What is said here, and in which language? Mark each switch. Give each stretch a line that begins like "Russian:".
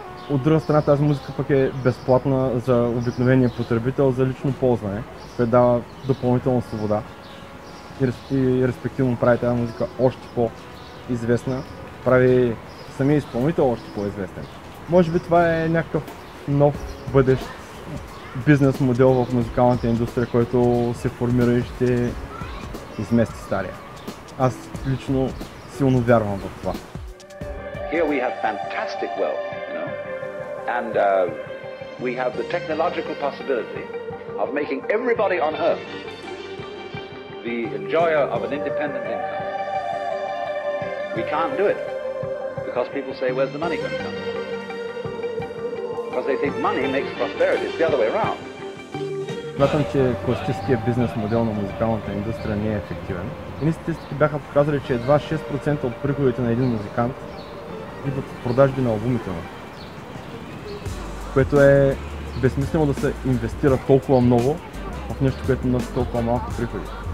Bulgarian: От друга страна, тази музика пък е безплатна за обикновения потребител, за лично ползване, което дава допълнителна свобода и респективно прави тази музика още по-известна, прави самия изпълнител още по-известен. Може би това е някакъв нов бъдещ бизнес модел в музикалната индустрия, който се формира и ще измести стария. Аз лично силно вярвам в това.
English: Here we have fantastic wealth, you know? And we have the technological possibility of making everybody on earth the enjoyer of an independent income. We can't do it. Because people say, where's the money going to come? Because they think money makes prosperity. It's the other way around.
Bulgarian: смятам, че класическия бизнес модел на музикалната индустрия не е ефективен. Едни статистики бяха показали, че едва 6% от приходите на един музикант идват от продажби на албумите му. Което е безсмислено да се инвестира толкова много в нещо, което носи толкова малко приходи.